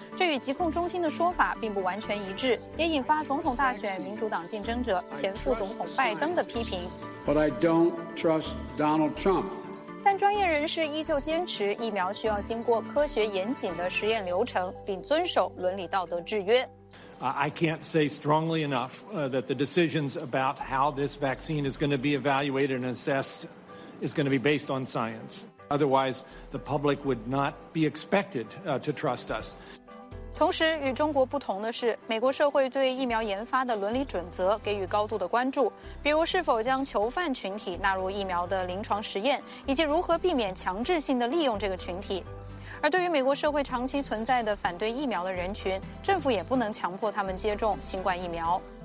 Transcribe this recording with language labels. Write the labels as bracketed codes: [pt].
[zh] 这与疾控中心的说法并不完全一致，也引发总统大选民主党竞争者前副总统拜登的批评。 [en] But I don't trust Donald Trump. [zh] 但专业人士依旧坚持，疫苗需要经过科学严谨的实验流程，并遵守伦理道德制约。 [en] I can't say strongly enough that the decisions about how this vaccine is going to be evaluated and assessed is going to be based on science. Otherwise, the public would not be expected to trust us. [zh] 同时，与中国不同的是，美国社会对疫苗研发的伦理准则给予高度的关注，比如是否将囚犯群体纳入疫苗的临床实验，以及如何避免强制性的利用这个群体。而对于美国社会长期存在的反对疫苗的人群，政府也不能强迫他们接种新冠疫苗。